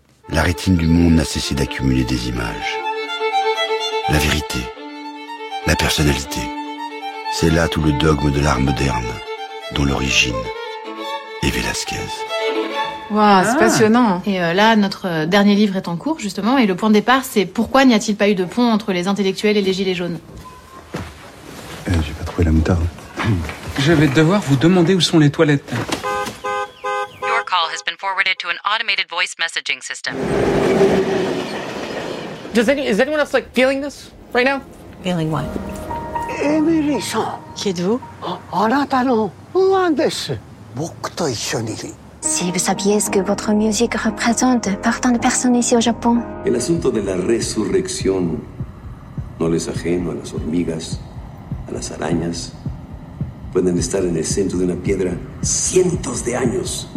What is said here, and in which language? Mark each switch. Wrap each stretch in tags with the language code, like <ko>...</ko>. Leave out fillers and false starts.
<fr>La rétine du monde n'a cessé d'accumuler des images. La vérité, la personnalité, c'est là tout le dogme de l'art moderne, dont l'origine est Velázquez. Waouh, c'est passionnant. Et là, notre dernier livre est en cours, justement, et le point de départ, c'est pourquoi n'y a-t-il pas eu de pont entre les intellectuels et les gilets jaunes ? J'ai pas trouvé la moutarde. Je vais devoir vous demander où sont les toilettes.</fr> <en>Your call has been forwarded to an automated voice messaging system. Is anyone else, like, feeling this right now? Feeling what? Emily San.</en> <fr>Qui êtes-vous ?</fr> <ja>Arata no Wandes. Boku to issho ni.</ja> <fr>Si vous saviez ce que votre musique représente par tant de personnes ici au Japon.</fr> <es>El asunto de la resurrección no les ajeno a las hormigas, a las arañas. Pueden estar en el centro de una piedra cientos de años.</es>